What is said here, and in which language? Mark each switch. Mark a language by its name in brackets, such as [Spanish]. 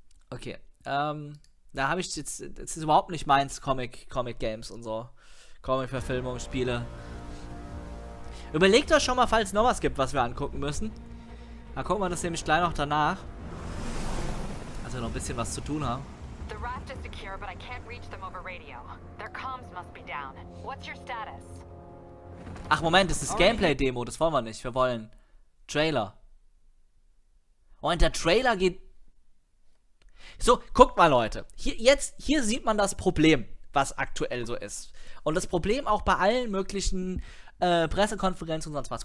[German] Okay. Da habe ich jetzt. Das ist überhaupt nicht meins, Comic-Games und so. Comic-Verfilmung, Spiele. Überlegt euch schon mal, falls es noch was gibt, was wir angucken müssen. Da gucken wir das nämlich gleich noch danach. Also noch ein bisschen was zu tun haben. [English] The raft is secure, but I can't reach them over radio. Their comms must be down. What's your status? [German] Ach Moment, das ist Gameplay-Demo, das wollen wir nicht. Wir wollen Trailer. Oh, und der Trailer geht. So, guckt mal, Leute. Hier sieht man das Problem, was aktuell so ist. Und das Problem auch bei allen möglichen Pressekonferenz und sonst was.